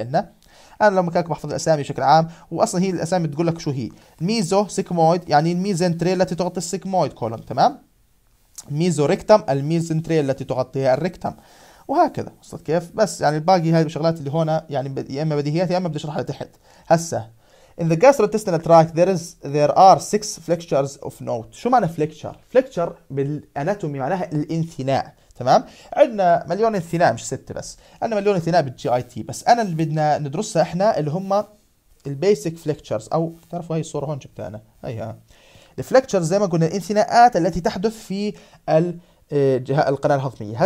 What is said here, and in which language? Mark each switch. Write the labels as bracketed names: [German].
[Arabic] لانه انا لو مكانك بحفظ الاسامي بشكل عام، واصلا هي الاسامي بتقول لك شو هي. ميزو سيكمويد يعني الميزنتري التي تغطي السيكمويد كولون، تمام. ميزو ريكتم الميزنتري التي تغطيها الريكتم، وهكذا. وصلت كيف؟ بس يعني الباقي هاي الشغلات اللي هون يعني يا اما بديهيات يا اما بدي اشرحها لتحت. [English] هسه In the gastrointestinal tract there are six flexures of note. [Arabic] شو معنى flexure؟ flexure بالاناتومي معناها الانثناء، تمام. عندنا مليون انثناء مش ستة بس، عندنا مليون انثناء بالجي اي تي، بس انا اللي بدنا ندرسها احنا اللي هم البيسك flexures، او تعرفوا هاي الصوره هون جبتها انا، هيها الفليكتشرز زي ما قلنا الانثناءات التي تحدث في الجهة القناة الهضمية.